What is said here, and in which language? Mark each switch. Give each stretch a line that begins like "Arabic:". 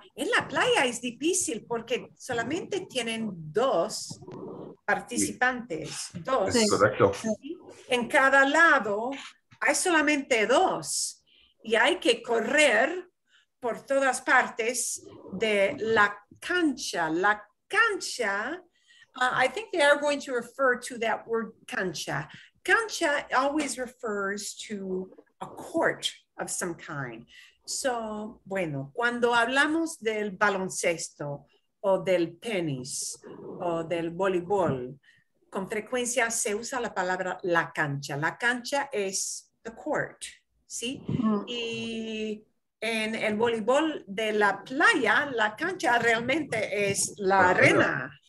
Spanish: En la playa es difícil porque solamente tienen dos participantes, dos. Sí, correcto. En cada lado hay solamente dos y hay que correr por todas partes de la cancha.
English: La cancha, I think they are going to refer to that word cancha. Cancha always refers to a court of some kind.
Spanish: So, bueno, cuando hablamos del baloncesto, o del tenis, o del voleibol, con frecuencia se usa la palabra la cancha. La cancha es the court, ¿sí? Y en el voleibol de la playa, la cancha realmente es la arena.